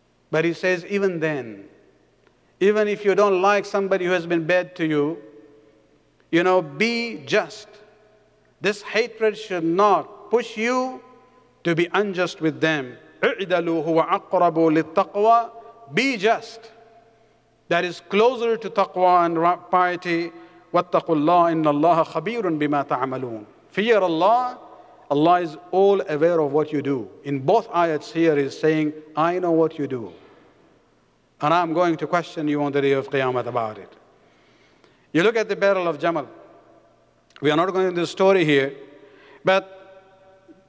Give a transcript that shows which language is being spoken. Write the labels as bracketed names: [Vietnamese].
[English] But he says, even then, even if you don't like somebody who has been bad to you, you know, be just. This hatred should not push you to be unjust with them. [Arabic] اعدلوا هو أقرب للتقوى. [English] Be just. That is closer to taqwa and piety. [Arabic] واتقوا الله إن الله خبير بما تعملون. [English] Fear Allah. Allah is all aware of what you do. In both ayats here is saying, I know what you do. And I'm going to question you on the day of Qiyamah about it. You look at the Battle of Jamal. We are not going to the story here, but